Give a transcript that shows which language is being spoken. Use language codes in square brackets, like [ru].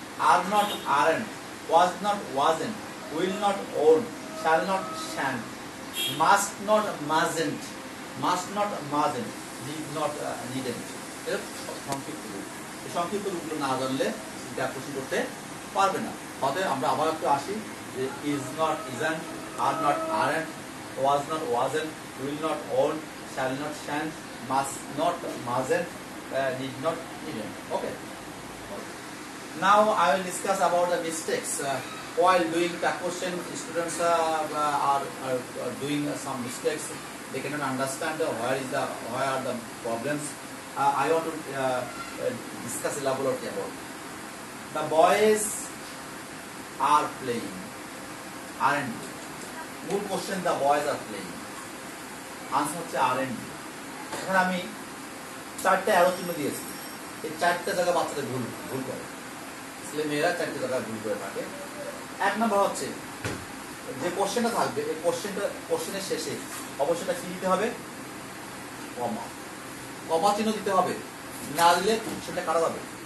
[bn] Are not আর and was not was and will not on shall not শ্যান must not মাজেন্ট must not মাজেন্ট need not need and সংক্ষিপ্ত রূপ এই সংক্ষিপ্ত রূপগুলো না জানলে ব্যাপ question করতে পারবে না তবে আমরা আবার একটু আসি যে is not is ant are not আর and was not was and will not on [en] shall not stand, must not, mustn't, need not, even. Okay. Now I will discuss about the mistakes. While doing that question, students are doing some mistakes. They cannot understand where are the problems. I want to discuss elaborately about. The boys are playing, aren't they? Good question, the boys are playing. Answer হচ্ছে aren't they? [bn] এখন আমি চারটে arrow চিহ্ন দিয়েছি, এই চারটে জায়গা বাচ্চাদের ভুল ভুল করে, ছেলে মেয়েরা চারটে জায়গা ভুল করে থাকে। এক নম্বর হচ্ছে যে কোশ্চেনটা থাকবে, এই কোশ্চেনটা কোশ্চেনের শেষে অবশ্যই কি দিতে হবে, কমা, কমা চিহ্ন দিতে হবে, না দিলে সেটা কারো হবে।